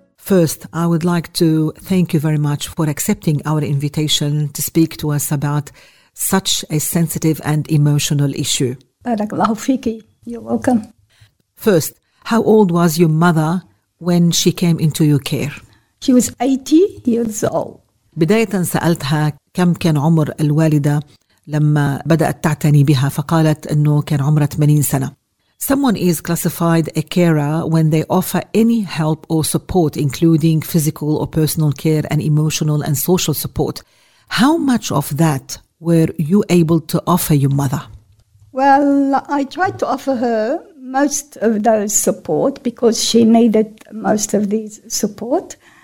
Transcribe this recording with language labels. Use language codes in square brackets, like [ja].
[en] First, I would like to thank you very much for accepting our invitation to speak to us about such a sensitive and emotional issue. Barakallahu fiki. You're welcome. First, how old was your mother when she came into your care? She was 80 years old. [ar] بداية سألتها كم كان عمر الوالدة لما بدأت تعتني بها، فقالت أنه كان عمرها 80 سنة. [en] Someone is classified a carer when they offer any help or support, including physical or personal care and emotional and social support. How much of that were you able to offer your mother? Well, I tried to offer her most of those support because she needed most of these support.